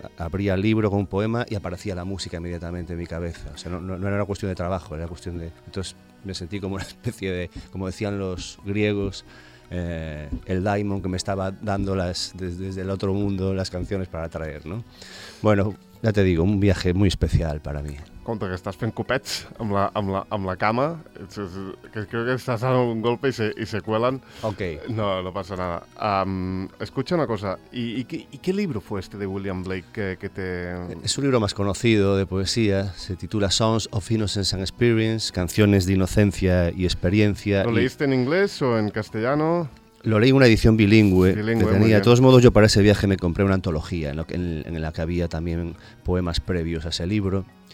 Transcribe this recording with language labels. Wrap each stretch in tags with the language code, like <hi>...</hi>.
<es>Abría el libro con un poema y aparecía la música inmediatamente en mi cabeza. O sea, no era una cuestión de trabajo, era cuestión de... Entonces me sentí como una especie de, como decían los griegos, el daimon que me estaba dando desde el otro mundo las canciones para traer, ¿no? Bueno, ya te digo, un viaje muy especial para mí.</es> <ca>Compte que estàs fent copets amb la cama, que crec que estàs</ca> <es>dando un golpe</es> <ca>i</ca> <es>se cuelen. Ok.</es> <ca>No passa nada.</ca> <es>Escucha una cosa, ¿y qué libro fue este de William Blake que te...? Es un libro más conocido de poesía, se titula Songs of Innocence and Experience, Canciones de Inocencia y Experiencia. ¿Lo leíste en inglés o en castellano? Lo leí en una edición bilingüe que tenía. De todos modos, yo para ese viaje me compré una antología en la que había también poemas previos a ese libro.</es>